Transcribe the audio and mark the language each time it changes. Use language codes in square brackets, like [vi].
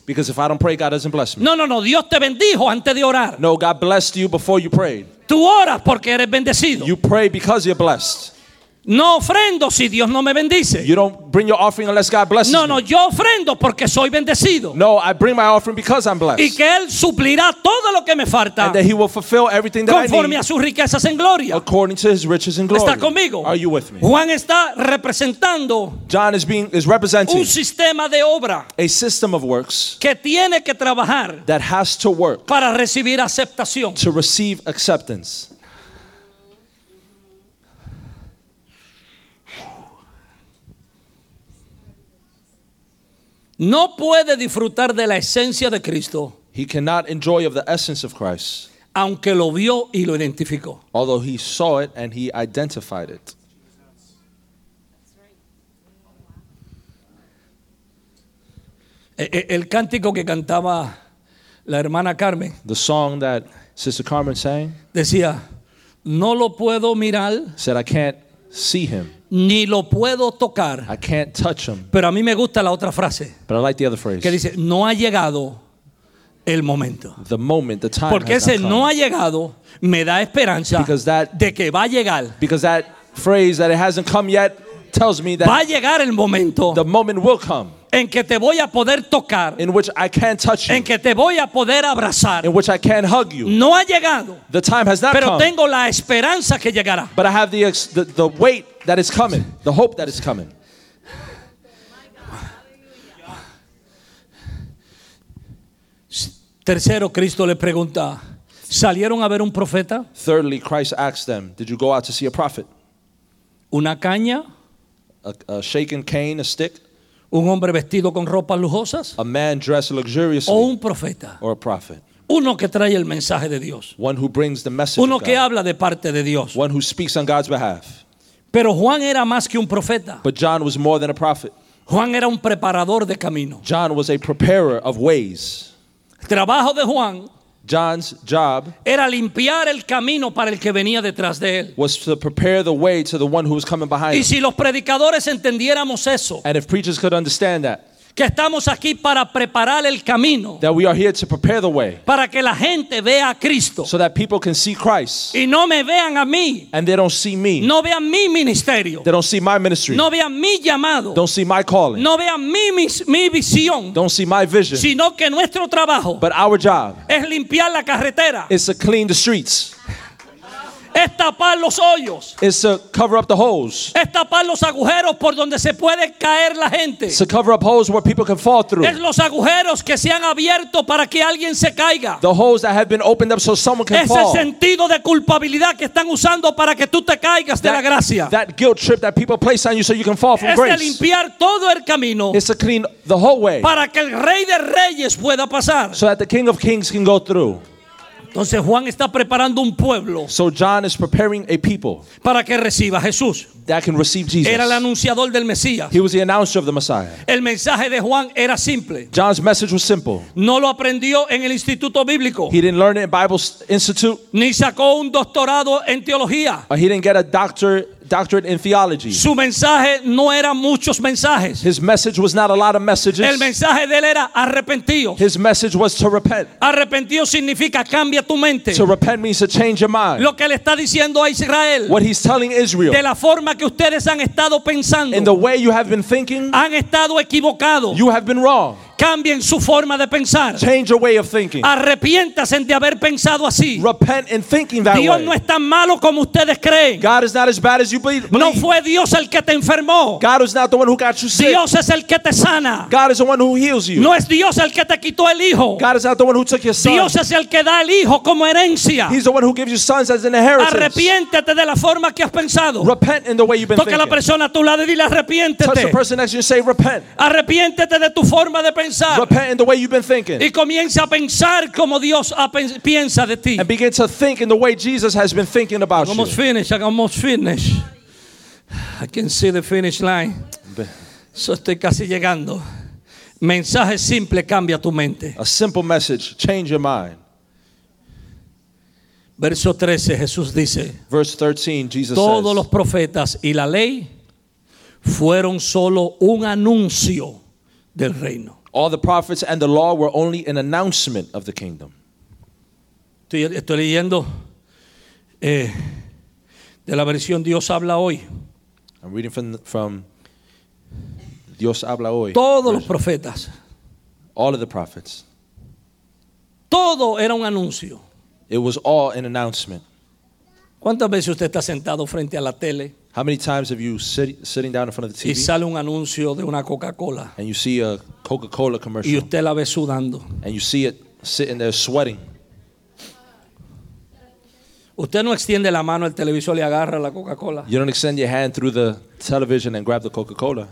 [en] Because if I don't pray, God doesn't bless me. [es] No, no, no. Dios te bendijo antes de orar. [en] No, God blessed you before you prayed. [es] Tú oras porque eres bendecido. [en] You pray because you're blessed. [es] No ofrendo si Dios no me bendice. [en] You don't bring your offering unless God blesses me. [es] No, no, yo ofrendo porque soy bendecido. [en] No, I bring my offering because I'm blessed. [es] Y que Él suplirá todo lo que me falta. [en] And that He will fulfill everything that [es] conforme Conforme a sus riquezas en gloria. [en] According to His riches in glory. [es] ¿Está conmigo? [en] Are you with me? [es] Juan está representando. [en] John is representing. [es] Un sistema de obra. [en] A system of works. [es] Que tiene que trabajar. [en] That has to work. [es] Para recibir aceptación. [en] To receive acceptance. [es] No puede disfrutar de la esencia de Cristo. [en] He cannot enjoy of the essence of Christ. [es] Aunque lo vio y lo identificó. [en] Although he saw it and he identified it. [es] El cántico que cantaba la hermana Carmen. [en] The song that Sister Carmen sang. [es] Decía, no lo puedo mirar. [en] Said, I can't see him. [es] Ni lo puedo tocar. [en] I can't touch him. [es] Pero a mí me gusta la otra frase. [en] But I like the other phrase. [es] Que dice, no ha llegado el momento. [en] The moment, the time. [es] Porque ese no ha llegado me da esperanza de que va a llegar. [en] Because that phrase that it hasn't come yet tells me that [es] va a llegar el momento. [en] The moment will come. [es] En que te voy a poder tocar. [en] In which I can touch you. [es] En que te voy a poder abrazar. [en] In which I can hug you. [es] No ha llegado. [en] The time has not [es] pero [en] come. [es] Pero tengo la esperanza que llegará. [en] But I have the wait that is coming. The hope that is coming. [es] Tercero, Cristo le pregunta, ¿salieron a ver un profeta? [en] Thirdly, Christ asks them, did you go out to see a prophet? [es] ¿Una caña? [en] A shaken cane, a stick? [es] Un hombre vestido con ropas lujosas. [en] A man dressed luxuriously. [es] O un profeta. [en] Or a prophet. [es] Uno que trae el mensaje de Dios. [en] One who brings the message. [es] Uno que habla de parte de Dios. [en] One who speaks on God's behalf. [es] Pero Juan era más que un profeta. [en] But John was more than a prophet. [es] Juan era un preparador de camino. [en] John was a preparer of ways. [es] Trabajo de Juan. [en] John's job [es] era limpiar el camino para el que venía detrás de él. [en] Was to prepare the way to the one who was coming behind him. [es] Y si los predicadores entendiéramos eso, [en] and if preachers could understand that, [es] que estamos aquí para preparar el camino, [en] that we are here to prepare the way, [es] para que la gente vea a Cristo, [en] so that people can see Christ, [es] y no me vean a mí, [en] and they don't see me, [es] no vean mi ministerio, [en] they don't see my ministry, [es] no vean mi llamado, [en] don't see my calling, [es] no vean mi visión, [en] don't see my vision, [es] sino que nuestro trabajo, [en] but our job, [es] es limpiar la carretera, [en] is to clean the streets. [es] Es tapar los hoyos. [en] It's to cover up the holes. [es] Es tapar los agujeros por donde se puede caer la gente. [en] It's to cover up holes where people can fall through. [es] Es los agujeros que se han abierto para que alguien se caiga. [en] The holes that have been opened up so someone can [es] es [en] fall. [es] Es el sentido de culpabilidad que están usando para que tú te caigas de la gracia. [en] That guilt trip that people place on you so you can fall from [es] es [en] grace. [es] Es limpiar todo el camino. [en] It's to clean the whole way. [es] Para que el Rey de Reyes pueda pasar. [en] So that the King of Kings can go through. [es] Entonces Juan está preparando un pueblo. [en] So John is preparing a people. [es] Para que reciba a Jesús. [en] That can receive Jesus. [es] Era el anunciador del Mesías. [en] He was the announcer of the Messiah. [es] El mensaje de Juan era simple. [en] John's message was simple. [es] No lo aprendió en el Instituto Bíblico. [en] He didn't learn it in Bible Institute. [es] Ni sacó un doctorado en teología. [en] He didn't get a doctorate in theology. [es] Su mensaje no era muchos mensajes. [en] His message was not a lot of messages. [es] El mensaje de él era arrepentido. [en] His message was to repent. [es] Arrepentido significa cambia tu mente. [en] To repent means to change your mind. [es] Lo que le está diciendo a Israel. [en] What he's telling Israel. [es] De la forma que ustedes han estado pensando. [en] In the way you have been thinking. [es] Han estado equivocados. [en] You have been wrong. [es] Cambien su forma de pensar. [en] Change your way of thinking. [es] Arrepiéntase de haber pensado así. [en] Repent in thinking that [es] Dios [en] way. [es] Dios no es tan malo como ustedes creen. [en] God is not as bad as you believe. [es] No fue Dios el que te enfermó. [en] God is not the one who got you sick. [es] Dios es el que te sana. [en] God is the one who heals you. [es] No es Dios el que te quitó el hijo. [en] God is not the one who took your son. [es] Dios es el que da el hijo como herencia. [en] He's the one who gives you sons as an inheritance. [es] Arrepiéntete de la forma que has pensado. [en] Repent in the way you've been thinking. [es] Toca la persona a tu lado y dile arrepiéntete. [en] Touch the person next to you and say repent. [es] Arrepiéntete de tu forma de pensar. [en] Repent in the way you've been thinking. [es] Y comienza a pensar como Dios piensa de ti. [en] And begin to think in the way Jesus has been thinking about you. I'm almost finished. I'm almost finished. I can see the finish line. [es] So estoy casi llegando. Mensaje simple cambia tu mente. [en] A simple message change your mind. [es] Verso 13, Jesús dice. [en] Verse 13, Jesus says. [es] Todos los profetas y la ley fueron solo un anuncio del reino. [en] All the prophets and the law were only an announcement of the kingdom. [es] Estoy leyendo de la versión Dios habla hoy. [en] I'm reading from Dios habla hoy. [es] Todos los profetas. [en] All of the prophets. [es] Todo era un anuncio. [en] It was all an announcement. [es] ¿Cuántas veces usted está sentado frente a la tele? [en] How many times have you sitting down in front of the TV? [es] Y sale un anuncio de una Coca-Cola. [en] And you see a Coca-Cola commercial. [es] Y usted la ve sudando. [en] And you see it sitting there sweating. [es] Usted no extiende la mano al televisor y agarra la Coca-Cola. [en] You don't extend your hand through the television and grab the Coca-Cola.